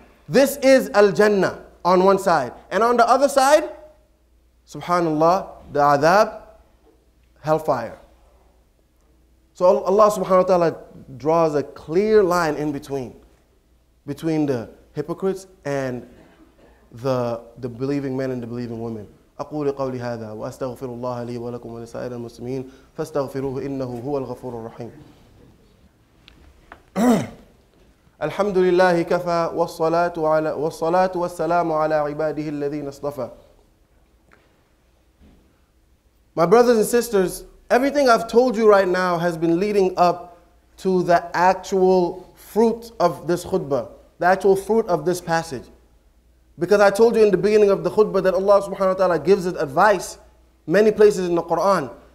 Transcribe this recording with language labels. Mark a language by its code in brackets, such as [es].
[en] This is al-jannah on one side. And on the other side, subhanallah, the adab, hellfire. So Allah subhanahu wa ta'ala draws a clear line in between the hypocrites and the believing men and the believing women. [ar] أقول قولي هذا وأستغفر الله لي ولكم ولسائر المسلمين فاستغفروه إنه هو الغفور الرحيم. الحمد لله كفى والصلاة والسلام على عباده الذين اصطفى. [en] My brothers and sisters, everything I've told you right now has been leading up to the actual fruit of this khutbah, the actual fruit of this passage. Because I told you in the beginning of the khutbah that Allah subhanahu wa ta'ala gives us advice many places in the Quran.